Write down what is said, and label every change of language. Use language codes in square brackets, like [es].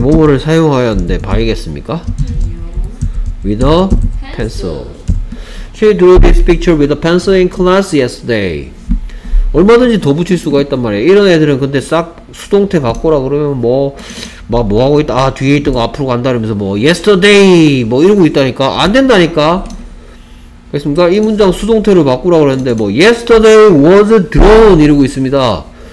[ko] 뭐뭐를 사용하였는데 by겠습니까? 아니요. [en] With a pencil. She drew this picture with a pencil in class yesterday. [ko] 얼마든지 더 붙일 수가 있단 말이에요. 이런 애들은 근데 싹 수동태 바꾸라 그러면 뭐 막 뭐하고 있다 아 뒤에 있던 거 앞으로 간다 이러면서 뭐 yesterday 뭐 이러고 있다니까 안 된다니까. 그렇습니까? 이 문장 수동태로 바꾸라 그랬는데 뭐 yesterday was drawn 이러고 있습니다.